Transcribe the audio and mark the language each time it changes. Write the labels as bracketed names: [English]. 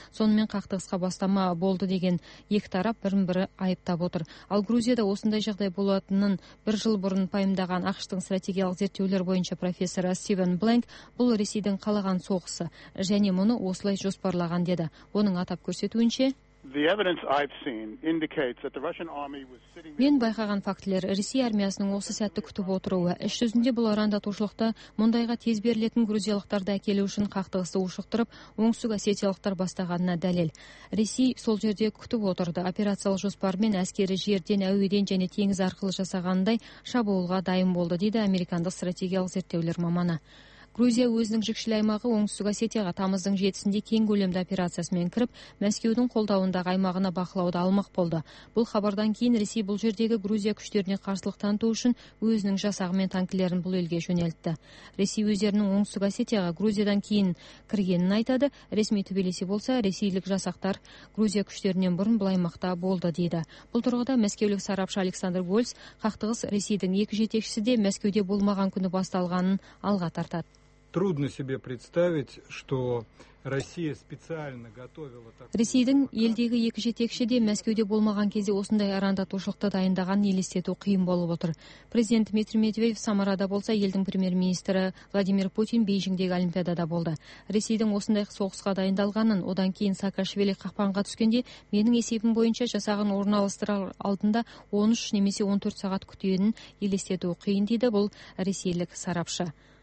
[Kazakh] Сонымен қақтығысқа бастама болды деген екі тарап бірін-бірі айыптап отыр. Ал Грузияда осындай жағдай болатынын бір жыл бұрын пайымдаған ақштың стратегиялық зерттеулер бойынша профессор Стивен Бланк, бұл Ресейдің қалаған соғысы және мұны осылай жоспарлаған деді. Оның атап көрсетуінше, [English] The evidence I've seen indicates that the Russian army was sitting [Kazakh] Мен байқаған фактілер Ресей армиясының осы сәтті күтіп отыруы, іш жүзінде бұл арандатушылықты мұндайға тез берілетін грузиялықтарды әкелу үшін қақтығысты ушықтырып, оңтүстік осетиялықтар бастағанына дәлел. Ресей сол жерде күтіп отырды. Операциялық жоспармен әскері жерден, әуеден және теңіз арқылы жасағандай шабуылға дайын болды, дейді американдық стратегиялық зерттеулер маманы. Грузия өзінің жікшілі аймағы оңтүстік Осетияға тамыздың 7-сінде кең көлемді операциясымен кіріп, Мәскеудің қолдауындағы аймағына бақылауды алмақ болды. Бұл хабардан кейін Ресей бұл жердегі Грузия күштеріне қарсылық таныту үшін өзінің жасағымен танкілерін бұл елге жөнелтті. Ресей өздерінің оңтүстік Осетияға Грузиядан кейін кіргенін айтады. Ресми төбелесі болса, ресейлік жасақтар Грузия күштерінен бұрын бұл аймақта болды дейді. Бұл тұрғыда мәскеулік сарапшы Александр Вольс қақтығыс Ресейдің екі жетекшісі де Мәскеуде болмаған күні басталғанын алға тартады. [Russian] Трудно себе представить, что Россия специально готовила такой. [Kazakh] Ресейдің елдегі екі жетекші де Мәскеуде болмаған кезде осындай арандатушылықты дайындаған елестету қиын болып отыр. Президент Дмитрий Медведев Самарада болса, елдің премьер-министрі Владимир Путин Бейжіңдегі олимпиадада болды. Ресейдің осындай соғысқа дайындалғанын, одан кейін Саакашвили қақпанға түскенде менің есебім бойынша жасағын орналастырар алдында 13 немесе 14 сағат күтетінін елестету қиын дейді бұл ресейлік сарапшы.